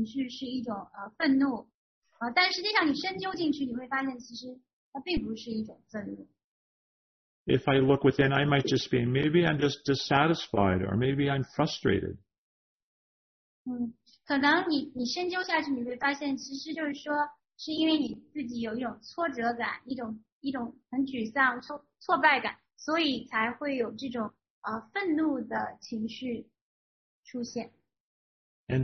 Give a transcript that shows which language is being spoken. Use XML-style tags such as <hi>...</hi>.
<zh>有的时候我们表面上好像是出现的那种情绪是一种愤怒。但实际上你深究进去你会发现其实它并不是一种愤怒。</zh> <en>If I look within, I might just be, maybe I'm just dissatisfied or maybe I'm frustrated.</en> <zh>可能你深究下去你会发现其实就是说是因为你自己有一种挫折感,一种很沮丧,挫败感,所以才会有这种愤怒的情绪出现。</zh> <en>And</en>